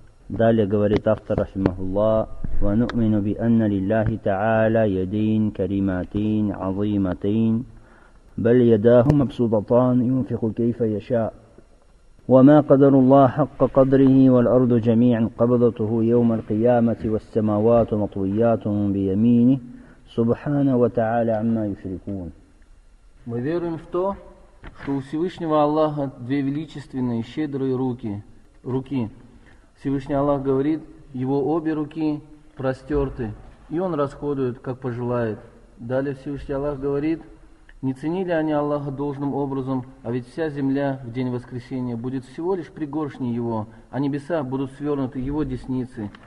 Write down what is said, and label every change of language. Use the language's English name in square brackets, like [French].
[Arabic] Dalia [Russian] говорит автор [Arabic] rahimahullah wa nu'minu bi anna lillahi ta'ala yadin karimatin 'azimatin bal yadahu mabsuṭatan yunfiqu kayfa yasha'. وما قدر الله حق قدره والأرض جميعا قبضته يوم القيامة والسماوات مطويات بيمينه سبحانه وتعالى عما يشركون. [Russian] Мы верим в то, что у Всевышнего Аллаха две величественные щедрые руки. Всевышний Аллах говорит, его обе руки простерты, и он расходует, как пожелает. Далее Всевышний Аллах говорит, не ценили они Аллаха должным образом, а ведь вся земля в день воскресения будет всего лишь пригоршней Его, а небеса будут свернуты Его десницы.